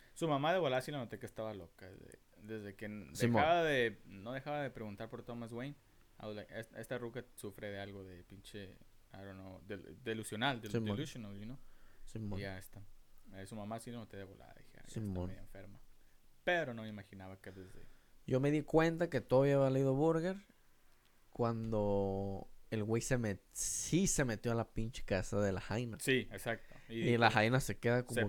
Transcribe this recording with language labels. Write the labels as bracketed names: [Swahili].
[Spanish] Su mamá de volar sí la noté que estaba loca, desde que no dejaba de preguntar por Thomas Wayne. [English] I was like, [Spanish] esta ruca sufre de algo de pinche, [English] I don't know, delusional, you know? [Spanish] Simón. Y ya está. Su mamá sí no te de volada, dije, Simón. Está medio enferma. Pero no me imaginaba que desde... Yo me di cuenta que todo había valido burger cuando el güey se metió a la pinche casa de la jaina. Sí, exacto. Y la jaina se queda como